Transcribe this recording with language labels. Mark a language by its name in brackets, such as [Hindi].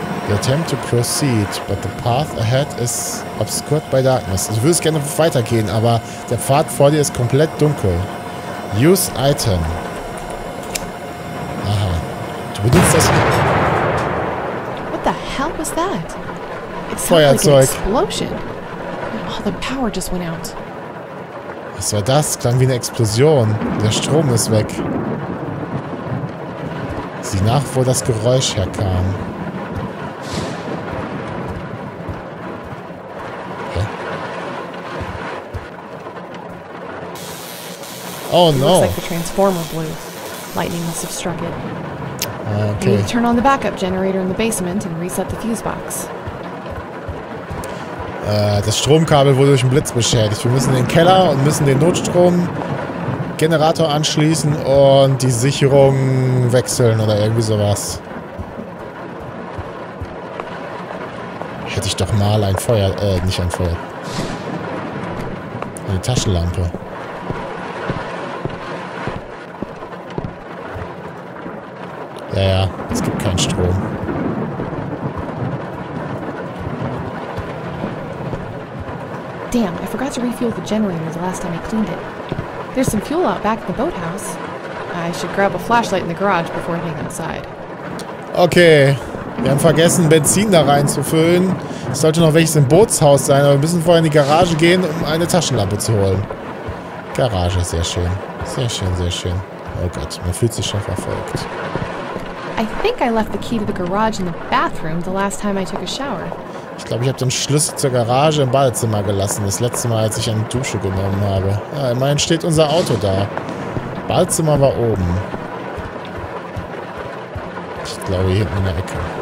[English] You attempt to proceed, but the path ahead is obscured by darkness. [German] Also du würdest gerne weitergehen, aber der Pfad vor dir ist komplett dunkel. [English] Use item. [German] Aha. Du benutzt das... [English] Was that? It sounded like an explosion. All the power just went out. [German] Was war das? Klang wie eine Explosion. Der Strom ist weg. Sieh nach, wo das Geräusch herkam. Hä? [English] Oh no. It looks like the transformer blew. Lightning must have struck it. Okay. You need to turn on the backup generator in the basement and reset the fuse box. [German] Das Stromkabel wurde durch einen Blitz beschädigt. Wir müssen in den Keller und müssen den Notstromgenerator anschließen und die Sicherung wechseln oder irgendwie sowas. Hätte ich doch mal ein Feuer, nicht ein Feuer. Eine Taschenlampe. Ja, es gibt keinen Strom. [English] Damn, I forgot to refuel the generator the last time I cleaned it. There's some fuel out back at the boathouse. I should grab a flashlight in the garage before heading outside. [German] Okay, wir haben vergessen, Benzin da reinzufüllen. Es sollte noch welches im Bootshaus sein, aber wir müssen vorher in die Garage gehen, um eine Taschenlampe zu holen. Garage, sehr schön. Sehr schön, sehr schön. Oh Gott, man fühlt sich schon verfolgt. [English] I think I left the key to the garage in the bathroom the last time I took a shower. [German] Ich glaube, ich habe den Schlüssel zur Garage im Badezimmer gelassen, das letzte Mal, als ich eine Dusche genommen habe. Ja, immerhin steht unser Auto da. Badezimmer war oben. Ich glaube, hier hinten in der Ecke.